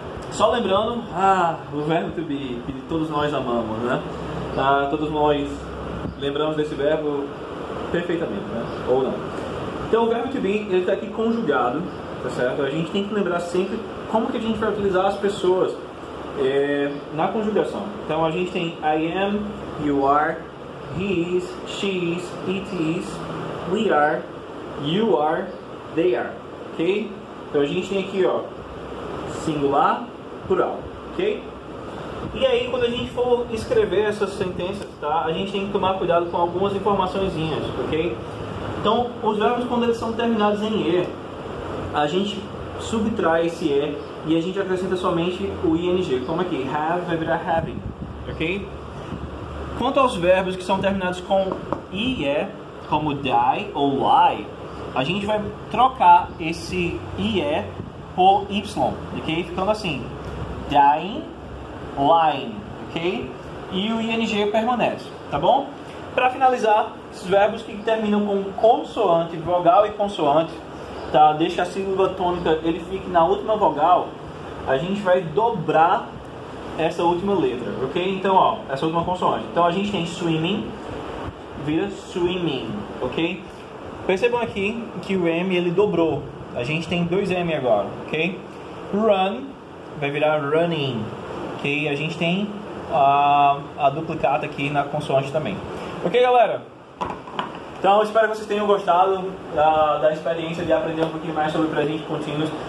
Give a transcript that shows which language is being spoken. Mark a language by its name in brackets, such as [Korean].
[Portuguese] Só lembrando, o verbo to be, que todos nós amamos, né? Todos nós lembramos desse verbo perfeitamente, né? Ou não. Então, o verbo to be, ele está aqui conjugado, tá certo? A gente tem que lembrar sempre como que a gente vai utilizar as pessoas na conjugação. Então a gente tem [English] I am, you are, he is, she is, it is, we are, you are, they are, ok? [Portuguese] Então a gente tem aqui, ó, singular, plural, ok? E aí quando a gente for escrever essas sentenças, tá, a gente tem que tomar cuidado com algumas informaçõezinhas, ok? Então os verbos, quando eles são terminados em E, a gente subtrai esse E e a gente acrescenta somente o ING, como aqui, have vai virar having, ok? Quanto aos verbos que são terminados com IE, como die ou lie, a gente vai trocar esse IE por Y, ok? Ficando assim, dying, lying, ok? e o ing permanece, tá bom? Para finalizar, esses verbos que terminam com consoante, vogal e consoante, tá? Deixa a sílaba tônica, ele fique na última vogal, a gente vai dobrar essa última letra, ok? Então, ó, essa última consoante. Então, a gente tem swimming, vira swimming, ok? Percebam aqui que o M, ele dobrou. A gente tem dois M agora, ok? Run, vai virar running, ok? A gente tem a duplicata aqui na consoante também. Ok, galera? Então, espero que vocês tenham gostado da experiência de aprender um pouquinho mais sobre presente contínuo.